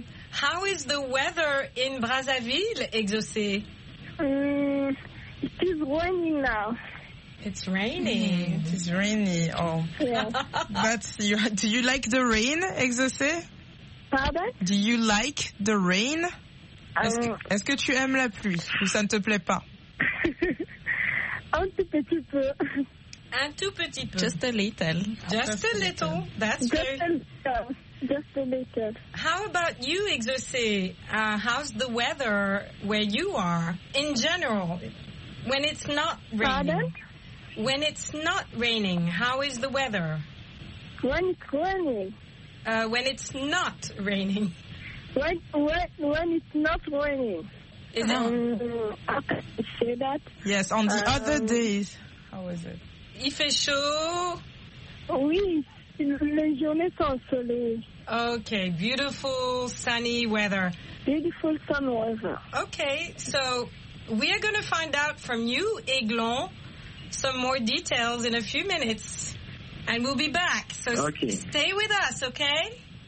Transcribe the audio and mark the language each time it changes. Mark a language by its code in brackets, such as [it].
[en] How is the weather in Brazzaville, exaucé? It is raining now. It's raining. It is rainy. Oh. Yes. Do you like the rain, exaucé? [fr] Pardon? [en] Do you like the rain? [fr] Est-ce que tu aimes la pluie ou ça ne te plaît pas? Un tout petit peu. Un tout petit peu. [en] Just a little. Just a little. That's just very... A little. Just little better. How about you, Exaucé? How's the weather where you are in general? When it's not raining? [fr] Pardon? [en] When it's not raining, how is the weather? When it's raining. When it's not raining. When it's not raining. Is it? How can I say that? Yes, on the other days. How is it? [fr] Il fait chaud. Oui, les journées sont soleil. [en] Okay, beautiful sunny weather. Beautiful sun weather. Okay, so we are going to find out from you, Aiglon, some more details in a few minutes, and we'll be back. So okay. Stay with us, okay?